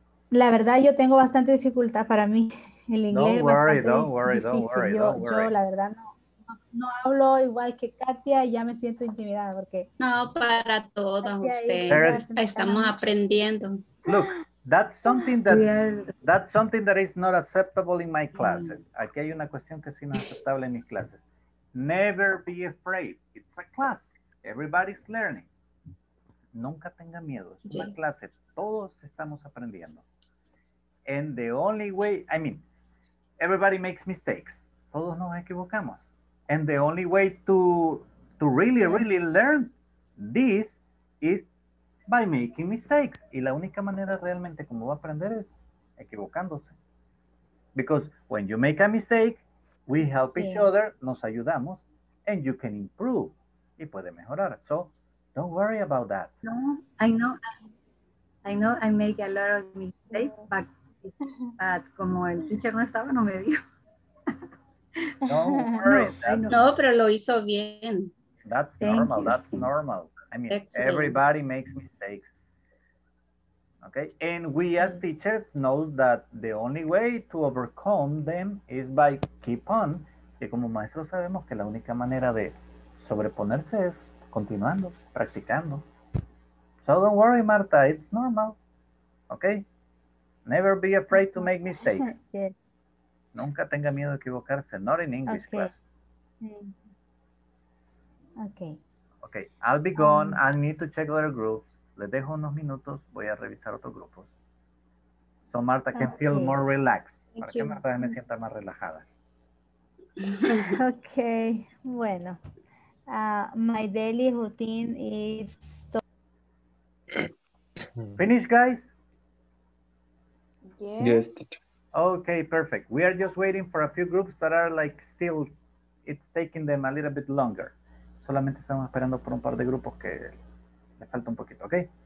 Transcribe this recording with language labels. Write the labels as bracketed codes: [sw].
[es] La verdad, yo tengo bastante dificultad para mí. El inglés [en] don't worry, [es] es bastante [en] don't worry, [es] difícil. [en] Don't worry, [es] yo, [en] don't worry. [es] Yo, la verdad, no hablo igual que Katia y ya me siento intimidada porque... No, para todos Katia ustedes. Estamos aprendiendo. [en] Look, that's something that is not acceptable in my classes. [es] Aquí hay una cuestión que es inaceptable en mis clases. [en] Never be afraid. It's a class. Everybody's learning. [es] Nunca tenga miedo. Es una clase. Todos estamos aprendiendo. [en] And the only way, I mean, everybody makes mistakes. [es] Todos nos equivocamos. [en] And the only way to really, really learn this is by making mistakes. [es] Y la única manera realmente como va a aprender es equivocándose. [en] Because when you make a mistake, we help each other, [es] nos ayudamos, [en] and you can improve. [es] Y puede mejorar. [en] So, don't worry about that. No, I know I make a lot of mistakes, but [es] como el teacher no estaba, no me vio. No, pero lo hizo bien. [en] That's normal. That's normal. I mean, everybody makes mistakes. Okay. And we as teachers know that the only way to overcome them is by keep on. [es] Y como maestros sabemos que la única manera de sobreponerse es continuando, practicando. [en] So don't worry, Marta. It's normal. Okay. Never be afraid to make mistakes. Yeah. [es] Nunca tenga miedo de equivocarse. [en] Not in English class. Okay. Okay. I'll be gone. I need to check other groups. [es] Les dejo unos minutos. Voy a revisar otros grupos. [en] So Marta can feel more relaxed. [es] Para que Marta me sienta más relajada. [en] Okay, bueno. My daily routine is to... Finish, guys? Yes. Okay, perfect. We are just waiting for a few groups that are like still, it's taking them a little bit longer. [es] Solamente estamos esperando por un par de grupos que le falta un poquito, okay?